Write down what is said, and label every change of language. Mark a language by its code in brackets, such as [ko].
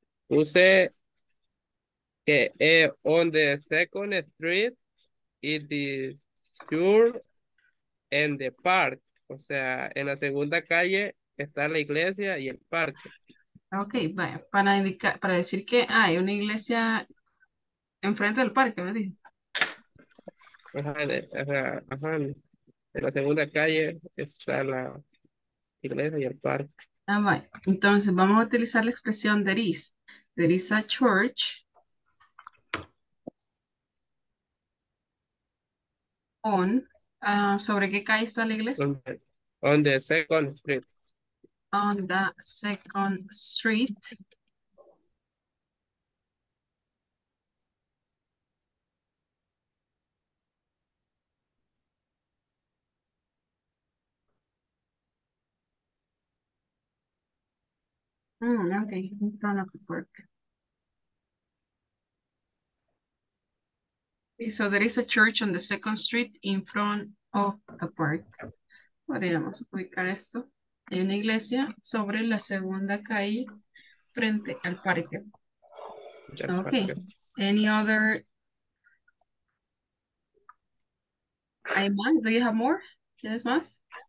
[es] Puse que [en] on the second street is the church and the park. [es] O sea, en la segunda calle. Está la iglesia y el parque. Ok, vaya, para indicar, para decir que hay una iglesia enfrente del parque, ¿verdad? Ajá, ajá, en la segunda calle está la iglesia y el parque. Ah, vaya, entonces vamos a utilizar la expresión there is. [en] There is a church on, [es] ¿sobre qué calle está la iglesia? [en] On the second street. On the second street. Okay, in front of the park. Okay, so there is a church on the second street in front of the park. [es] Podríamos ubicar esto. Hay una iglesia sobre la segunda calle frente al parque. [en] Okay. Any other? Do you have more? [es] ¿Tienes más?